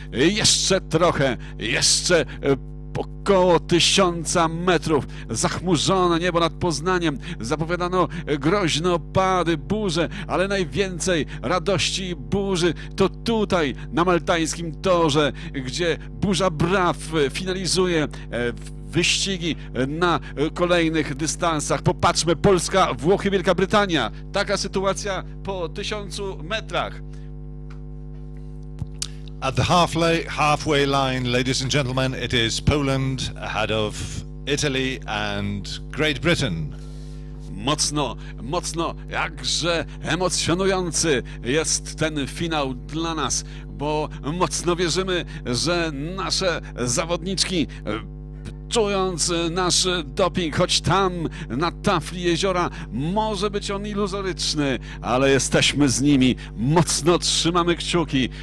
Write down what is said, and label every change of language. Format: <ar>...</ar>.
<pl>Jeszcze trochę, jeszcze około 1000 metrów, zachmurzone niebo nad Poznaniem, zapowiadano groźne opady, burze, ale najwięcej radości i burzy to tutaj, na maltańskim torze, gdzie burza braw finalizuje wyścigi na kolejnych dystansach. Popatrzmy, Polska, Włochy, Wielka Brytania. Taka sytuacja po 1000 metrach.</pl> <en>At the halfway line, ladies and gentlemen, it is Poland ahead of Italy and Great Britain.</en> <pl>Mocno, mocno, jakże emocjonujący jest ten finał dla nas, bo mocno wierzymy, że nasze zawodniczki, czując nasz doping, choć tam na tafli jeziora może być on iluzoryczny, ale jesteśmy z nimi, mocno trzymamy kciuki.</pl>